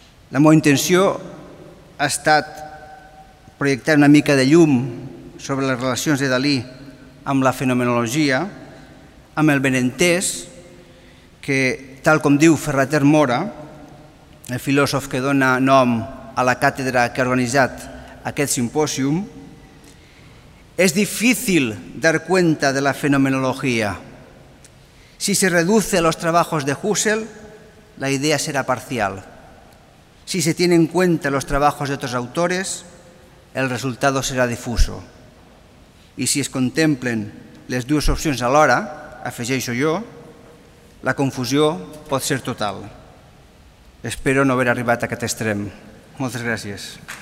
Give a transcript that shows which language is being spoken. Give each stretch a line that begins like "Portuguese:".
Catalan: La meva intenció ha estat projectar una mica de llum sobre les relacions de Dalí amb la fenomenologia, amb el benentès que, tal com diu Ferrater Mora, el filòsof que dona nom a la càtedra que ha organitzat aquest simpòsium, és difícil
Spanish: dar cuenta de la fenomenologia. Si se reduce a los trabajos de Husserl, la idea será parcial. Si se tiene en cuenta los trabajos de otros autores, el resultado será difuso.
Catalan: Y si es contemplen les dues opcions alhora, afegeixo jo, la confusió pot ser total. Espero no haver arribat a aquest extrem. Moltes gràcies.